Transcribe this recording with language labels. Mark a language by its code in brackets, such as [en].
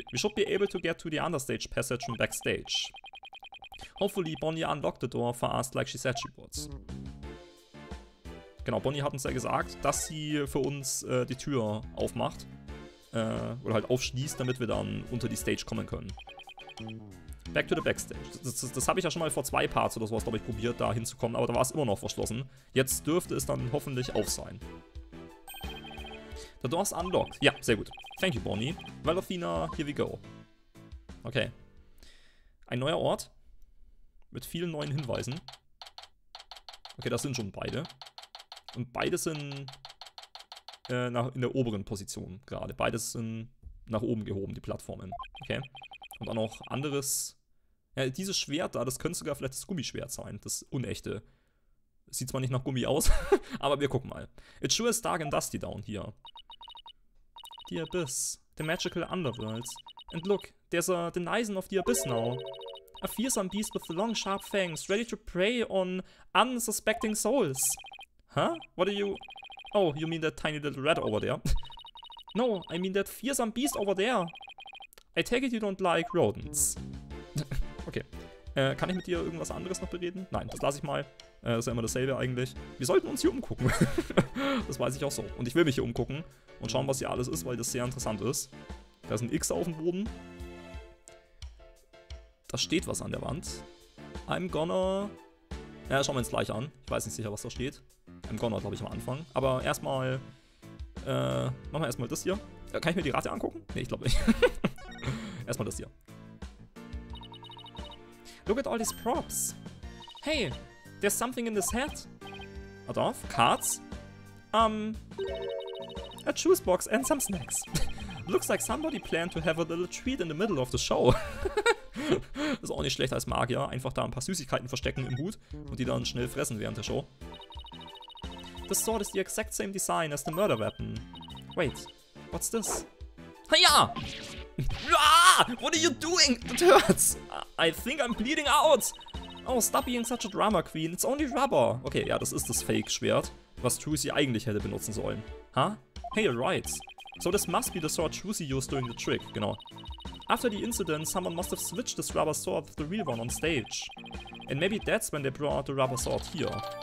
[en] We should be able to get to the understage passage from backstage. Hopefully Bonnie unlocked the door for us like she said she would. [de] Genau, Bonnie hat uns ja gesagt, dass sie für uns die Tür aufmacht. Oder halt aufschließt, damit wir dann unter die Stage kommen können. [en] Back to the backstage. [de] Das habe ich ja schon mal vor zwei Parts oder sowas, glaube ich, probiert, da hinzukommen, aber da war es immer noch verschlossen. Jetzt dürfte es dann hoffentlich auf sein. [en] The door's unlocked. [de] Ja, sehr gut. [en] Thank you, Bonnie. Well, Athena, here we go. Okay. [de] Ein neuer Ort. Mit vielen neuen Hinweisen. Okay, das sind schon beide. Und beide sind in der oberen Position gerade. Beides sind nach oben gehoben, die Plattformen. Okay. Und dann noch anderes. Ja, dieses Schwert da, das könnte sogar vielleicht das Gummischwert sein. Das Unechte. Sieht zwar nicht nach Gummi aus, aber wir gucken mal. [en] It sure is dark and dusty down here. The Abyss. The magical underworld. And look, there's a denizen of the Abyss now. A fearsome beast with long sharp fangs, ready to prey on unsuspecting souls. Huh? What are you... Oh, you mean that tiny little rat over there? No, I mean that fearsome beast over there. I take it you don't like rodents. Okay. [de] Kann ich mit dir irgendwas anderes noch bereden? Nein, das lasse ich mal. Ist ja immer dasselbe eigentlich. Wir sollten uns hier umgucken. Das weiß ich auch so. Und ich will mich hier umgucken und schauen, was hier alles ist, weil das sehr interessant ist. Da ist ein X auf dem Boden. Da steht was an der Wand. [en] I'm gonna... [de] Ja, schauen wir uns gleich an. Ich weiß nicht sicher, was da steht. I'm gonna, glaube ich, am Anfang. Aber erstmal... machen wir erstmal das hier. Ja, kann ich mir die Ratte angucken? Nee, ich glaube nicht. Erstmal das hier. [en] Look at all these props. Hey, there's something in this hat. What off? Cards? A juice box and some snacks. Looks like somebody planned to have a little treat in the middle of the show. [de] Ist auch nicht schlecht als Magier. Einfach da ein paar Süßigkeiten verstecken im Hut und die dann schnell fressen während der Show. [en] This sword is the exact same design as the murder weapon. Wait, what's this? Hiya! What are you doing? That hurts! I think I'm bleeding out! Oh, stop being such a drama queen, it's only rubber! [de] Okay, ja, das ist das Fake-Schwert, was Shusy eigentlich hätte benutzen sollen. [en] Ha? Huh? Hey, you're right. So this must be the sword Shusy used during the trick, genau. After the incident, someone must have switched this rubber sword with the real one on stage. And maybe that's when they brought the rubber sword here.